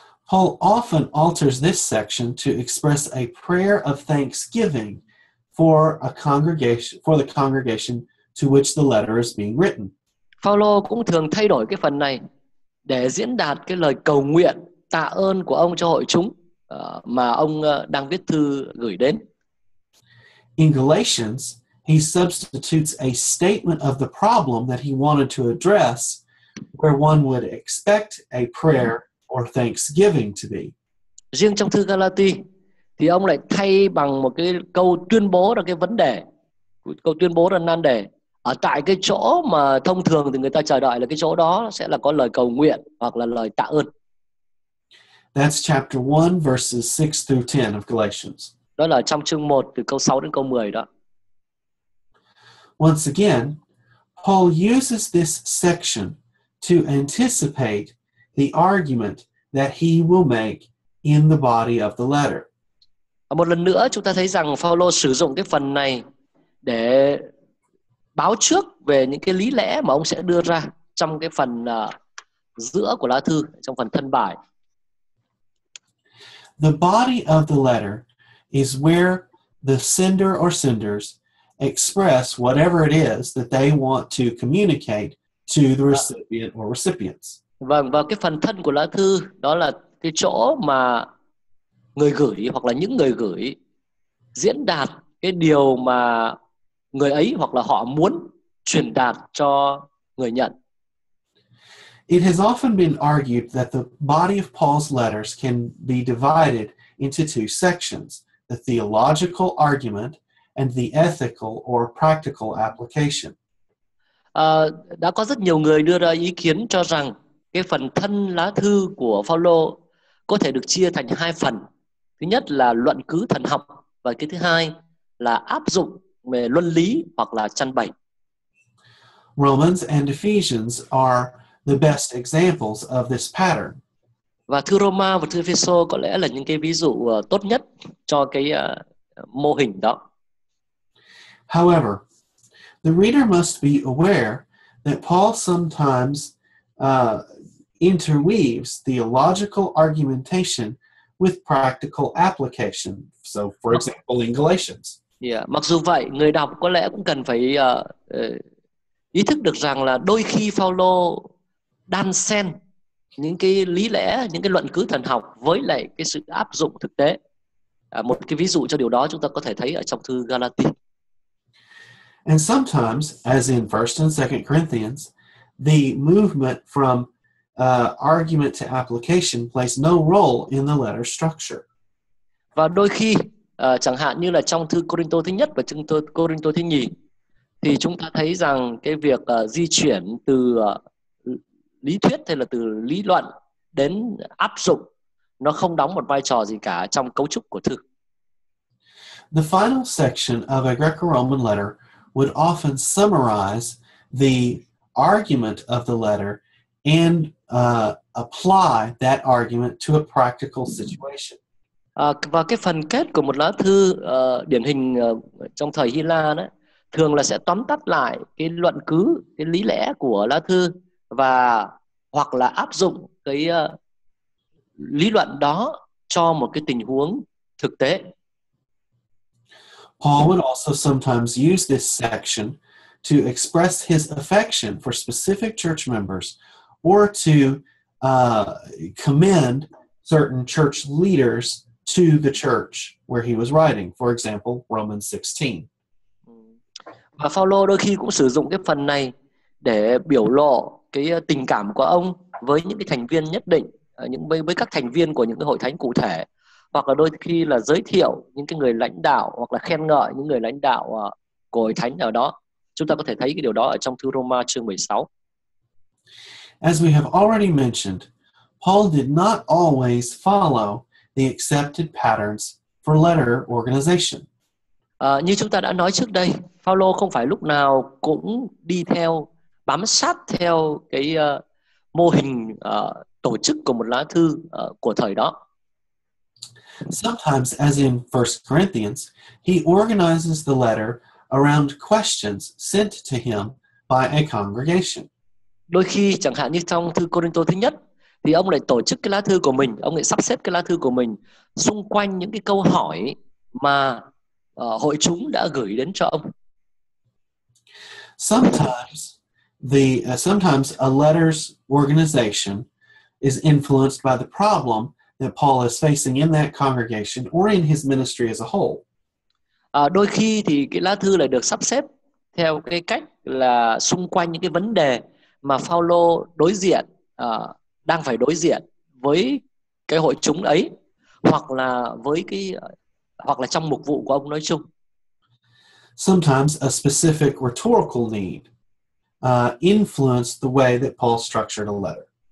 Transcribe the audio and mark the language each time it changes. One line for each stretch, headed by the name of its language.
English: Paul often alters this section to express a prayer of thanksgiving for a congregation, for the congregation to which the letter is being written.
Vietnamese: Paulo cũng thường thay đổi cái phần này để diễn đạt cái lời cầu nguyện tạ ơn của ông cho hội chúng mà ông đang viết thư gửi đến.
English: In Galatians, he substitutes a statement of the problem that he wanted to address where one would expect a prayer or thanksgiving to be.
Vietnamese: Riêng trong thư Galati thì ông lại thay bằng một cái câu tuyên bố là cái vấn đề, câu tuyên bố là nan đề ở tại cái chỗ mà thông thường thì người ta chờ đợi là cái chỗ đó sẽ là có lời cầu nguyện hoặc là lời tạ ơn.
English: That's chapter 1 verses 6 through 10 of Galatians.
Vietnamese: Đó là trong chương 1 từ câu 6 đến câu 10 đó.
English: Once again, Paul uses this section to anticipate the argument that he will make in the body of the letter.
Vietnamese: Một lần nữa chúng ta thấy rằng Paulo sử dụng cái phần này để báo trước về những cái lý lẽ mà ông sẽ đưa ra trong cái phần giữa của lá thư, trong phần thân bài.
English: The body of the letter is where the sender or senders express whatever it is that they want to communicate to the recipient or recipients.
Vietnamese: Vâng, và cái phần thân của lá thư đó là cái chỗ mà người gửi hoặc là những người gửi diễn đạt cái điều mà người ấy hoặc là họ muốn truyền đạt cho người nhận.
English: It has often been argued that the body of Paul's letters can be divided into two sections, the theological argument and the ethical or practical application.
Vietnamese: Đã có rất nhiều người đưa ra ý kiến cho rằng cái phần thân lá thư của Paulo có thể được chia thành hai phần. Thứ nhất là luận cứ thần học và cái thứ hai là áp dụng về luân lý hoặc là chăn bảy.
English: Romans and Ephesians are the best examples of this pattern.
Vietnamese: Và thư Roma và thư Ephesio có lẽ là những cái ví dụ tốt nhất cho cái mô hình đó.
English: However, the reader must be aware that Paul sometimes interweaves theological argumentation with practical application. So, for example, in Galatians. Yeah.
Vietnamese: Mặc dù vậy, người đọc có lẽ cũng cần phải ý thức được rằng là đôi khi Paulo đan xen những cái lý lẽ, những cái luận cứ thần học với lại cái sự áp dụng thực tế. Một cái ví dụ cho điều đó chúng ta có thể thấy ở trong thư Galati.
English: And sometimes, as in 1st and 2nd Corinthians, the movement from argument to application plays no role in the letter structure.
Vietnamese: Và đôi khi, chẳng hạn như là trong thư Corinto thứ nhất và trong thư Corinto thứ nhì, thì chúng ta thấy rằng cái việc di chuyển từ lý thuyết hay là từ lý luận đến áp dụng, nó không đóng một vai trò gì cả trong cấu trúc của thư.
English: The final section of a Greco-Roman letter would often summarize the argument of the letter and apply that argument to a practical situation.
Vietnamese: Và cái phần kết của một lá thư điển hình trong thời Hy La đó thường là sẽ tóm tắt lại cái luận cứ, cái lý lẽ của lá thư và hoặc là áp dụng cái lý luận đó cho một cái tình huống thực tế.
English: Paul would also sometimes use this section to express his affection for specific church members or to commend certain church leaders to the church where he was writing. For example, Romans 16.
Vietnamese: Và Paulo đôi khi cũng sử dụng cái phần này để biểu lộ cái tình cảm của ông với những cái thành viên nhất định, những với các thành viên của những cái hội thánh cụ thể. Hoặc là đôi khi là giới thiệu những cái người lãnh đạo hoặc là khen ngợi những người lãnh đạo của hội thánh nào đó. Chúng ta có thể thấy cái điều đó ở trong thư Roma chương 16.
English: As we have already mentioned, Paul did not always follow the accepted patterns for letter organization.
Vietnamese: Như chúng ta đã nói trước đây, Paulo không phải lúc nào cũng đi theo, bám sát theo cái mô hình tổ chức của một lá thư của thời đó.
English: Sometimes, as in 1 Corinthians, he organizes the letter around questions sent to him by a congregation.
Vietnamese: Đôi khi, chẳng hạn như trong thư Corinto thứ nhất, thì ông lại tổ chức cái lá thư của mình, ông lại sắp xếp cái lá thư của mình xung quanh những cái câu hỏi mà hội chúng đã gửi đến cho ông.
English: Sometimes a letter's organization is influenced by the problem that Paul is facing in that congregation or in his ministry as a whole.
Vietnamese: Đôi khi thì cái lá thư lại được sắp xếp theo cái cách là xung quanh những cái vấn đề mà Phaolô đối diện, đang phải đối diện với cái hội chúng ấy, hoặc là với cái hoặc là trong mục vụ của ông nói chung.
English: Sometimes a specific rhetorical need influenced the way that Paul structured a letter.